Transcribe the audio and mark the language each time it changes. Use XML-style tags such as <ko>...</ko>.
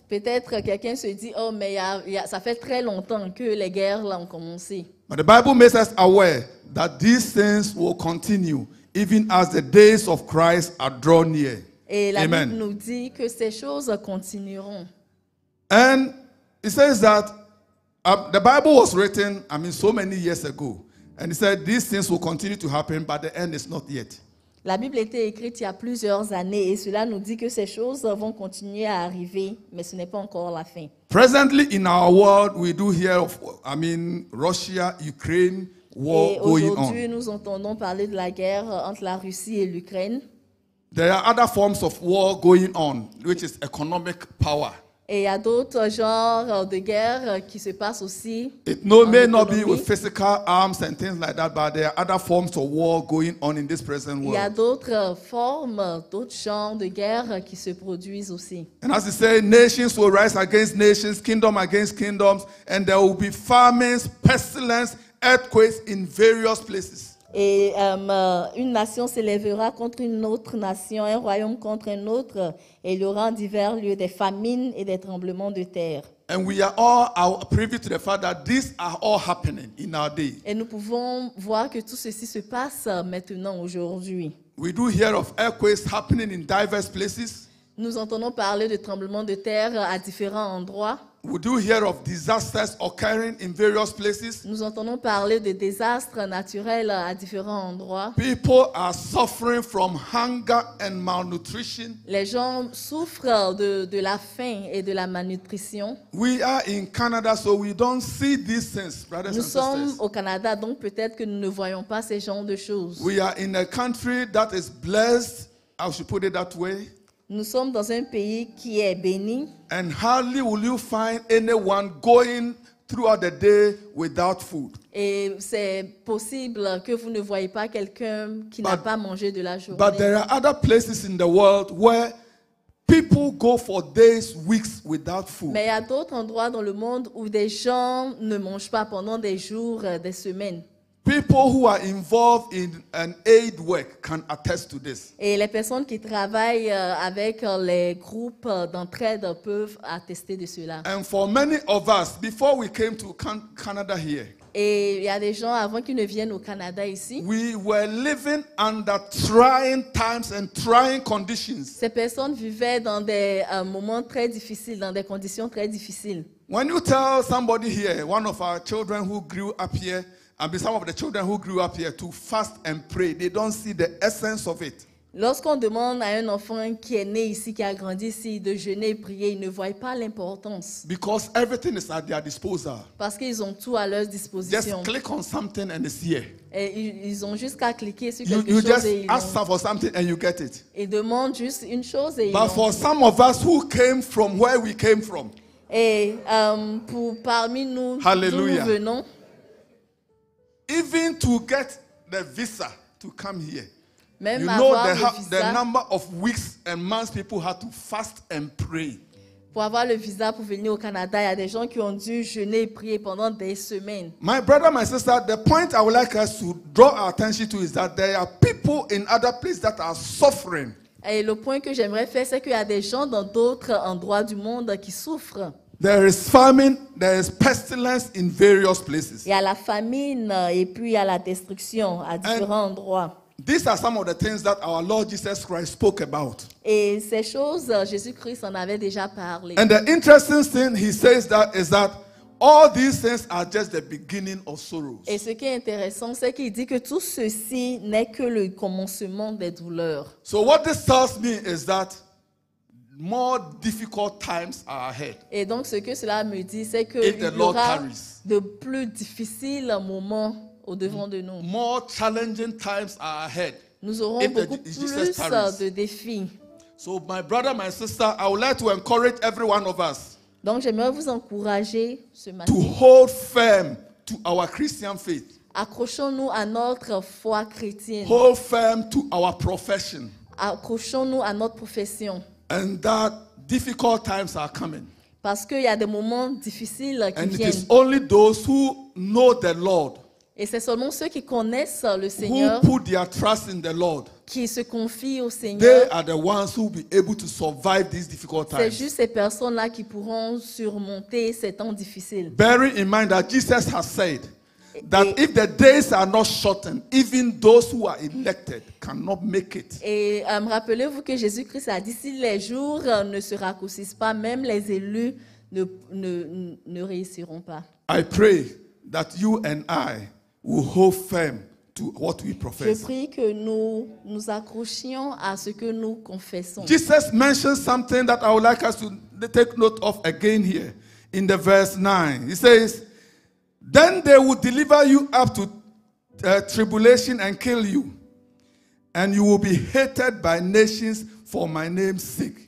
<fr>Peut-être quelqu'un se dit, oh, mais ça fait très longtemps que les guerres là ont commencé.</fr> <en>But the Bible makes us aware that these things will continue even as the days of Christ are drawn near.</en> <fr>Et la Bible nous dit que ces choses continueront.</fr> <en>And it says that the Bible was written, so many years ago. And it said these things will continue to happen, but the end is not yet.</en> <fr>La Bible était écrite il y a plusieurs années et cela nous dit que ces choses vont continuer à arriver, mais ce n'est pas encore la fin.</fr> <en>Presently in our world, we do hear of, Russia, Ukraine, war</en> <fr>et</fr> <en>going on.</en> <fr>Aujourd'hui, nous entendons parler de la guerre entre la Russie et l'Ukraine.</fr> <en>There are other forms of war going on, which is economic power.</en> <fr>Et il y a d'autres genres de guerres qui se passent aussi.</fr> <en>It may not be with physical arms and things like that, but there are other forms of war going on in this present world.</en> <fr>Il y a d'autres formes, d'autres genres de guerres qui se produisent aussi.</fr> <en>And as you say, nations will rise against nations, kingdom against kingdoms, and there will be famines, pestilence, earthquakes in various places.</en> <fr>Et une nation s'élèvera contre une autre nation, un royaume contre un autre, et il y aura en divers lieux des famines et des tremblements de terre.</fr> <en>And we are all privy to the fact that these are all happening in our day.</en> <fr>Et nous pouvons voir que tout ceci se passe maintenant, aujourd'hui.</fr> <en>We do hear of earthquakes happening in diverse places.</en> <fr>Nous entendons parler de tremblements de terre à différents endroits.</fr> <en>We do hear of disasters occurring in various places.</en> <fr>Nous entendons parler de désastres naturels à différents endroits.</fr> <en>People are suffering from hunger and malnutrition.</en> <fr>Les gens souffrent de la faim et de la malnutrition.</fr> <en>We are in Canada, so we don't see these things, brothers and sisters.</en> <fr>Nous sommes au Canada, donc peut-être que nous ne voyons pas ces genres de choses.</fr> <en>We are in a country that is blessed, I should put it that way.</en> <fr>Nous sommes dans un pays qui est béni.</fr> <en>And hardly will you find anyone going throughout the day without food.</en> <fr>Et c'est possible que vous ne voyez pas quelqu'un qui n'a pas mangé de la journée.</fr> <en>But there are other places in the world where people go for days, weeks without food.</en> <fr>Mais il y a d'autres endroits dans le monde où des gens ne mangent pas pendant des jours, des semaines.</fr> <en>People who are involved in an aid work can attest to this.</en> <fr>Et les personnes qui travaillent avec les groupes d'entraide peuvent attester de cela.</fr> <en>And for many of us, before we came to Canada here,</en> <fr>et il y a des gens avant qu'ils ne viennent au Canada ici.</fr> <en>We were living under trying times and trying conditions.</en> <fr>Ces personnes vivaient dans des moments très difficiles, dans des conditions très difficiles.</fr> <en>When you tell somebody here, one of our children who grew up here, and some of the children who grew up here, to fast and pray, they don't see the essence of it.</en> <fr>Lorsqu'on demande à un enfant qui est né ici, qui a grandi ici, de jeûner et prier, ils ne voient pas l'importance.</fr> <en>Because everything is at their disposal.</en> <fr>Parce qu'ils ont tout à leur disposition.</fr> <en>Just click on something and it's here.</en> <fr>Et ils ont juste à cliquer sur quelque chose et ils ont.</fr> <en>You just ask for something and you get it.</en> <fr>Ils demandent juste une chose et ils.</fr> <en>But for some of us who came from where we came from.</en> <fr>Et pour parmi nous, hallelujah, d'où nous venons.</fr> <en>Even to get the visa to come here.</en> <fr>Même</fr> <en>you know</en> <fr>avoir</fr> <en>the number of weeks and months people had to fast and pray.</en> <fr>Pour avoir le visa pour venir au Canada, il y a des gens qui ont dû jeûner et prier pendant des semaines.</fr> <en>My brother, my sister, the point I would like us to draw our attention to is that there are people in other places that are suffering.</en> <fr>Et le point que j'aimerais faire, c'est qu'il y a des gens dans d'autres endroits du monde qui souffrent.</fr> <en>There is famine, there is pestilence in various places.</en> <fr>Il y a la famine et puis il y a la destruction à différents endroits.</fr> <en>These are some of the things that our Lord Jesus Christ spoke about.</en> <fr>Et ces choses, Jésus-Christ en avait déjà parlé.</fr> <en>And the interesting thing he says that is that all these things are just the beginning of sorrows.</en> <fr>Et ce qui est intéressant, c'est qu'il dit que tout ceci n'est que le commencement des douleurs.</fr> <en>So what this tells me is that more difficult times are ahead.</en> <fr>Et donc ce que cela me dit, c'est que il y aura de plus difficiles moments au devant de nous.</fr> <en>More challenging times are ahead.</en> <fr>Nous aurons beaucoup plus de défis.</fr> <en>So my brother, my sister, I would like to encourage every one of us.</en> <fr>Donc j'aimerais vous encourager ce matin.</fr> <en>To hold firm to our Christian faith.</en> <fr>Accrochons-nous à notre foi chrétienne.</fr> <en>Hold firm to our profession.</en> <fr>Accrochons-nous à notre profession.</fr> <en>And that difficult times are coming.</en> <fr>Parce qu'il y a des moments difficiles qui viennent.</fr> <en>And it is only those who know the Lord.</en> <fr>Et c'est seulement ceux qui connaissent le Seigneur.</fr> <en>Who put their trust in the Lord.</en> <fr>Qui se confient au Seigneur.</fr> <en>They are the ones who will be able to survive these difficult times.</en> <fr>C'est juste ces personnes-là qui pourront surmonter ces temps difficiles.</fr> <en>Bearing in mind that Jesus has said that if the days are not shortened, even those who are elected cannot make it.</en> <fr>Et rappelez-vous que Jésus-Christ a dit si les jours ne se raccourcissent pas, même les élus ne réussiront pas.</fr> <en>I pray that you and I will hold firm to what we profess.</en> <fr>Je prie que nous accrochions à ce que nous confessons.</fr> <en>Jesus mentioned something that I would like us to take note of again here in the verse 9. He says, then they will deliver you up to tribulation and kill you, and you will be hated by nations for my name's sake.</en>